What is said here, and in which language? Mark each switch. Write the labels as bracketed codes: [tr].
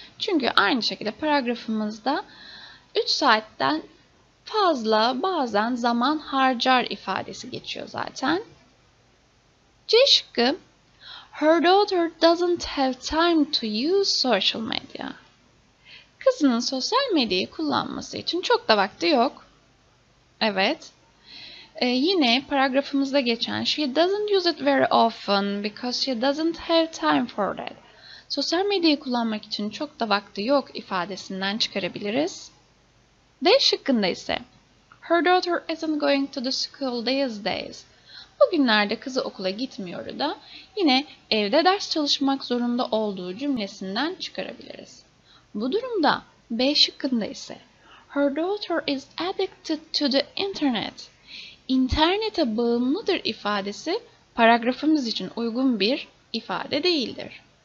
[tr] Çünkü aynı şekilde paragrafımızda 3 saatten fazla bazen zaman harcar ifadesi geçiyor zaten. C şıkkı. [en] Her daughter doesn't have time to use social media. [tr] Kızının sosyal medyayı kullanması için çok da vakti yok. Evet. Yine paragrafımızda geçen [en] she doesn't use it very often because she doesn't have time for that. [tr] Sosyal medyayı kullanmak için çok da vakti yok ifadesinden çıkarabiliriz. D şıkkında ise [en] her daughter isn't going to the school these days. [tr] Bugünlerde kızı okula gitmiyor da yine evde ders çalışmak zorunda olduğu cümlesinden çıkarabiliriz. Bu durumda B şıkkında ise [en] her daughter is addicted to the internet. [tr] İnternete bağımlıdır ifadesi paragrafımız için uygun bir ifade değildir.